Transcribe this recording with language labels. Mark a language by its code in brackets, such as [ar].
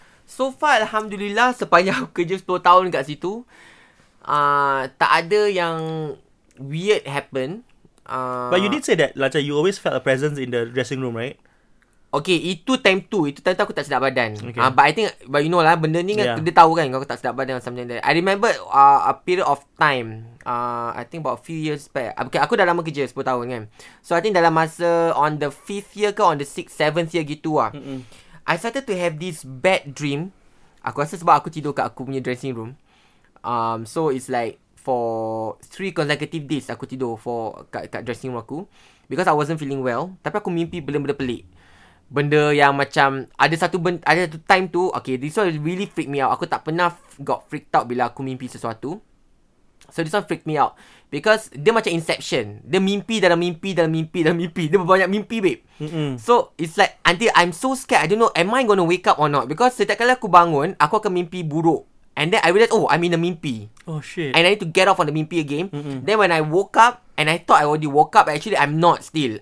[ms] So far, Alhamdulillah, sepanjang aku kerja 10 tahun kat situ, tak ada yang [en] weird happen. But you did say that, like, you always felt a presence in the dressing room, right? [ms] Okay, itu time tu aku tak sedap badan. Okay. [en] But you know lah, [ms] benda ni kan, dia tahu kan aku tak sedap badan [en] something like that. I remember a period of time, I think about a few years back. Okay, [ms] aku dah lama kerja, 10 tahun kan. [en] So, I think [ms] dalam masa [en] on the 5th year ke on the 6th, 7th year [ms] gitu lah. [en] I started to have this bad dream. [ms] Aku rasa sebab aku tidur kat aku punya dressing room. [en] So it's like for 3 consecutive days [ms] aku tidur [en] for kat dressing room aku. Because I wasn't feeling well. [ms] Tapi aku mimpi benda-benda pelik. Benda yang macam ada satu time tu. [en] Okay, this one really freaked me out. [ms] Aku tak pernah [en] got freaked out [ms] bila aku mimpi sesuatu. [en] So this one freaked me out. [ms] Because dia macam inception. Dia mimpi dalam mimpi dalam mimpi dalam mimpi. Dia banyak mimpi, babe. [en] So it's like until I'm so scared, I don't know, am I going to wake up or not? [ms] Because setiap kali aku bangun, aku akan mimpi buruk. [en] And then I realize, oh, I'm in a mimpi. Oh shit. And I need to get off on the mimpi again. Then when I woke up, and I thought I already woke up, actually I'm not still.